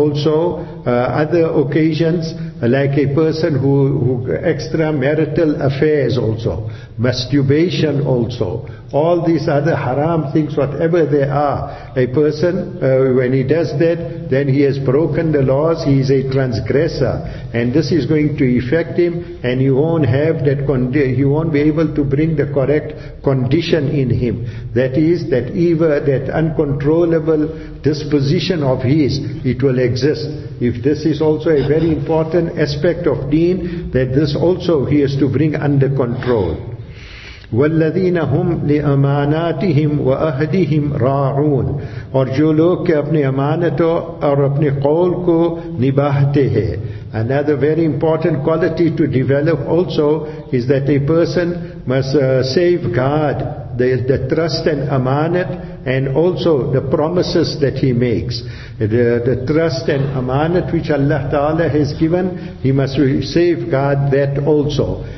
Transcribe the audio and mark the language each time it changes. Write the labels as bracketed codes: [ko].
[en] Other occasions, like a person who extramarital affairs also, masturbation also, all these other haram things, whatever they are, a person, when he does that, then he has broken the laws, he is a transgressor, and this is going to affect him, and he won't be able to bring the correct condition in him. That is, that evil, that uncontrollable disposition of his, it will exist. If this is also a very important aspect of deen, that this also he has to bring under control. [ar] وَالَّذِينَ هُمْ لِأَمَانَاتِهِمْ وَأَهْدِهِمْ رَاعُونَ. [ur] اور جو لوگ کہ اپنے امانتوں اور اپنے قول کو نباہتے ہیں. [en] Another very important quality to develop also is that a person must safeguard the trust and amanat, and also the promises that he makes. The trust and amanat which Allah Ta'ala has given, he must safeguard that also.